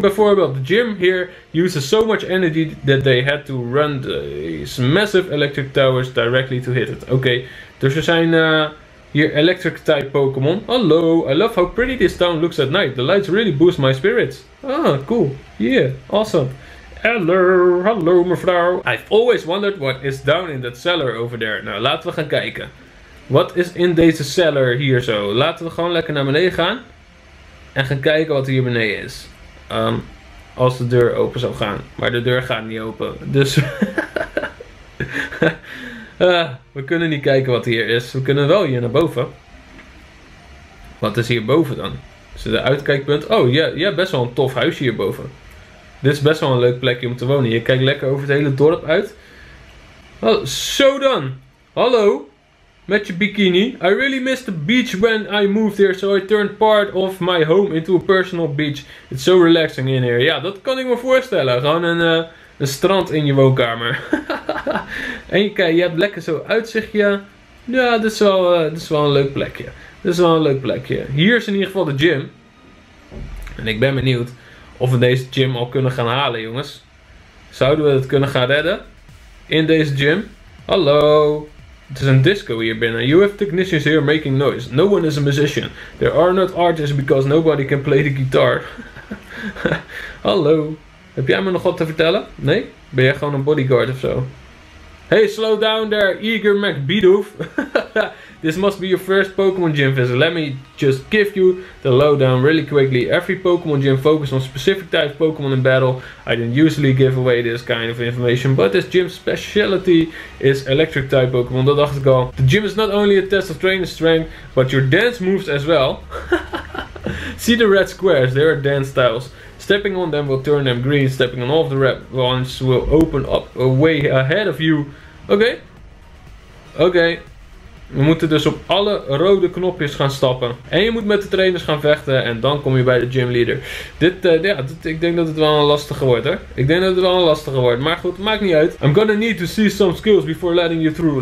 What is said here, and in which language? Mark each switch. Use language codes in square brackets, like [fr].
[nl] Bijvoorbeeld, [en] the gym here uses so much energy that they had to run these massive electric towers directly to hit it. [nl] Oké. Dus we zijn hier electric type Pokémon. [en] Hallo, I love how pretty this town looks at night. The lights really boost my spirits. Ah, cool. Yeah, awesome. [nl] Hallo, hallo mevrouw. [en] I've always wondered what is down in that cellar over there. [nl] Nou, laten we gaan kijken. Wat is in deze cellar hier zo? Laten we gewoon lekker naar beneden gaan. En gaan kijken wat hier beneden is. Als de deur open zou gaan. Maar de deur gaat niet open. Dus we kunnen niet kijken wat hier is. We kunnen wel hier naar boven. Wat is hier boven dan? Is het een uitkijkpunt? Oh, ja, best wel een tof huisje hierboven. Dit is best wel een leuk plekje om te wonen. Je kijkt lekker over het hele dorp uit. Oh, zo dan. Hallo. Met je bikini. [en] I really miss the beach when I moved here. So I turned part of my home into a personal beach. It's so relaxing in here. [nl] Ja, dat kan ik me voorstellen. Gewoon een strand in je woonkamer. En je kijkt, je hebt lekker zo uitzichtje. Ja, dit is wel een leuk plekje. Dat is wel een leuk plekje. Hier is in ieder geval de gym. En ik ben benieuwd of we deze gym al kunnen gaan halen, jongens. Zouden we het kunnen gaan redden? In deze gym? Hallo. Het is een disco hier binnen. [en] You have technicians here making noise. No one is a musician. There are not artists because nobody can play the guitar. [nl] Hallo. Heb jij me nog wat te vertellen? Nee? Ben jij gewoon een bodyguard of zo? [en] Hey, slow down there, eager MacBidoof. This must be your first Pokemon gym visit. Let me just give you the lowdown really quickly. Every Pokemon gym focuses on specific type of Pokemon in battle. I don't usually give away this kind of information, but this gym's specialty is electric type Pokemon. Dat dacht ik al. The gym is not only a test of trainer strength, but your dance moves as well. See the red squares, they are dance styles. Stepping on them will turn them green. Stepping on off the red ones will open up a way ahead of you. [nl] Oké. We moeten dus op alle rode knopjes gaan stappen. En je moet met de trainers gaan vechten. En dan kom je bij de gym leader. Ik denk dat het wel een lastige wordt, hoor. Ik denk dat het wel een lastige wordt. Maar goed, maakt niet uit. [en] I'm gonna need to see some skills before letting you through.